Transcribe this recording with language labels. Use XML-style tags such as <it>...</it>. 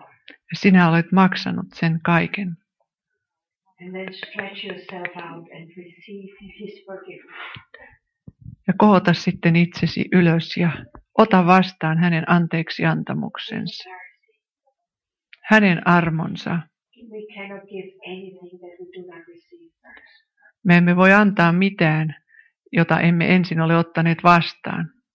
<fi>Ja sinä olet maksanut sen kaiken.</fi> <en>And then stretch yourself out and receive his forgiveness.</en> <fi>Ja kohota sitten itsesi ylös ja ota vastaan hänen anteeksiantamuksensa. Hänen armonsa.</fi> <en>We cannot give anything that we do not receive first.</en> <fi>Me emme voi antaa mitään, jota emme ensin ole ottaneet vastaan.</fi>